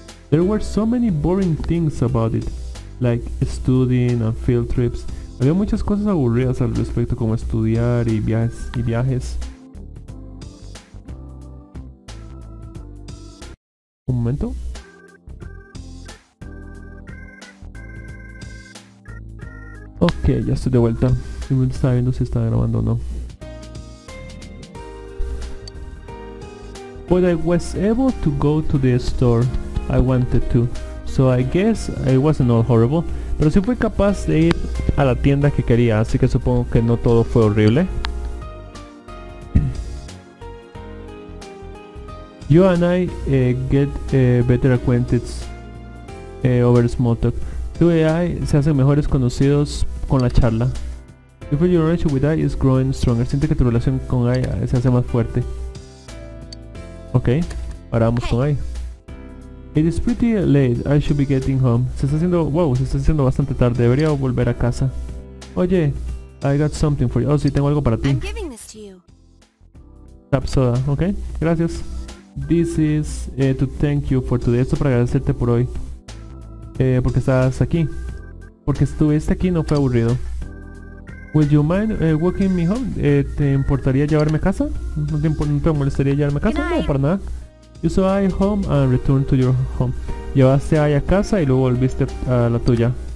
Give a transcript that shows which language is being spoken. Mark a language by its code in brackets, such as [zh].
[en] There were so many boring things about it, like studying and field trips. [es] Había muchas cosas aburridas al respecto, como estudiar y viajes. Un momento. Ok, ya estoy de vuelta. Simplemente estaba viendo si estaba grabando o no. [en] But I was able to go to the store I wanted to. So I guess it wasn't all horrible. [es] Pero sí fui capaz de ir a la tienda que quería, así que supongo que no todo fue horrible. [en] You and I get better acquainted over small talk. [es] Tú y I se hacen mejores conocidos con la charla. [en] You feel your relationship with I is growing stronger. [es] Siente que tu relación con I se hace más fuerte. Ok, ahora vamos con I. [en] It is pretty late. I should be getting home. [es] Se está haciendo bastante tarde. Debería volver a casa. [en] Oye, I got something for you. [es] Oh, sí, tengo algo para ti. [en] I'm giving this to you. Tap soda. [es] Ok, gracias. [en] This is to thank you for today. [es] Esto para agradecerte por hoy. Porque estás aquí. Porque estuviste aquí, no fue aburrido. [en] Would you mind walking me home? [es] ¿Te importaría llevarme a casa? ¿No te molestaría llevarme a casa? No, para nada. [en] You saw I home and return to your home. [es] Llevaste a ella a casa y luego volviste a la tuya.